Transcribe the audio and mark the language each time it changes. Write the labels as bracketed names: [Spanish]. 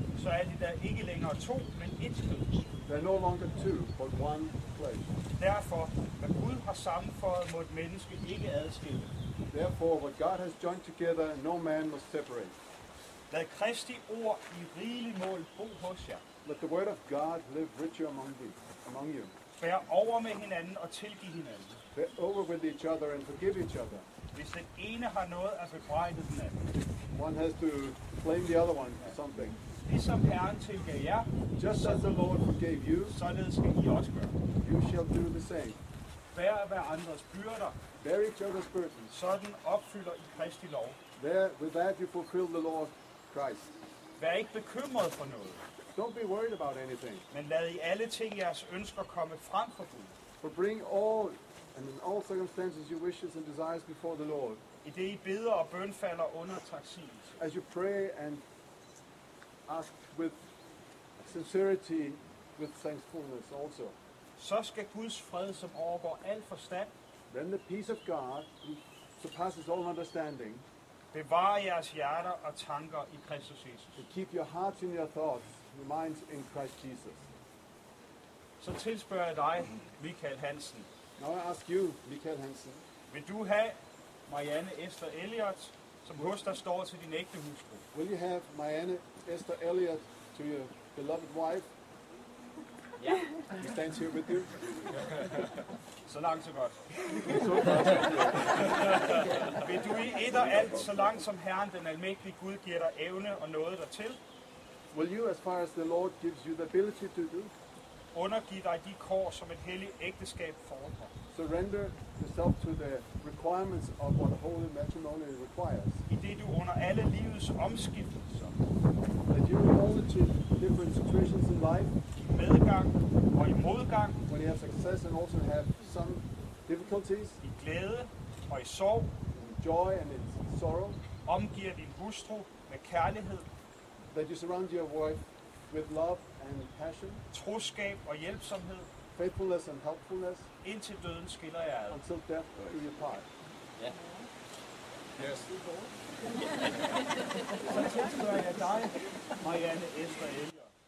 [Danish] Så er de der ikke længere to, men ét kød. [English] They're no longer two, but one flesh. [Danish] Derfor, hvad Gud har sammenføjet, må et menneske ikke adskille. [English] Therefore, what God has joined together, no man must separate. [Danish] Lad Kristi ord i rigelig mål bo hos jer. [English] Let the word of God live richer among you. [Danish] Bær over med hinanden og tilgive hinanden. [English] Bear over with each other and forgive each other. [Danish] Hvis den ene har noget at bebrejde den anden. [English] One has to blame the other one for something. [Danish] Ligesom Herren tilgav jer. [English] Just as the Lord forgave you. [Danish] Således skal I også gøre. [English] You shall do the same. [Danish] Bær hver andres byrder. [English] Bear each other's burdens. [Danish] Sådan opfylder I Kristi lov. [English] There, with that you fulfill the law of Christ. [Danish] Vær ikke bekymret for noget. [English] Don't be worried about anything. [Danish] Men lad I alle ting jeres ønsker komme frem for Gud. [English] For bring all and in all circumstances your wishes and desires before the Lord. [Danish] I det I beder og bønfalder under taksigelse. [English] As you pray and ask with sincerity, with thankfulness also. [Danish] Så skal Guds fred, som overgår al forstand, [English] then the peace of God, who surpasses all understanding, [Danish] bevare jeres hjerter og tanker i Kristus Jesus. [English] To keep your hearts and your thoughts, your minds in Christ Jesus. [Danish] Så tilspørger jeg dig, Michael Hansen. [English] Now I ask you, Michael Hansen. [Danish] Vil du have Marianne Esther Elliot, som hos dig står til din ægte hustru? [English] Will you have Marianne Esther Elliot to your beloved wife? [Danish] Ja. [English] He stands here with you. [Danish] Så langt, så godt. Vil du i et og alt, så langt som Herren, den almægtige Gud, giver dig evne og noget dertil? [English] Will you, as far as the Lord gives you the ability to do, [Danish] undergive dig de kår, som et helligt ægteskab fordrer? [English] Surrender yourself to the requirements of what a holy matrimony requires. [Danish] I det du under alle livets omskiftelser, [English] that you are all the different situations in life, [Danish] medgang og i modgang, [English] when you have success and also have some difficulties, [Danish] i glæde og i sorg, [English] in joy and in sorrow, [Danish] omgiver din hustru med kærlighed, [English] that you surround your wife with love and passion, [Danish] troskab og hjælpsomhed, [English] faithfulness and helpfulness, [Danish] indtil døden skiller jer ad, [English] until death do you part. Yes. [Danish] Så tilspørger jeg dig, Marianne Esther Elliot.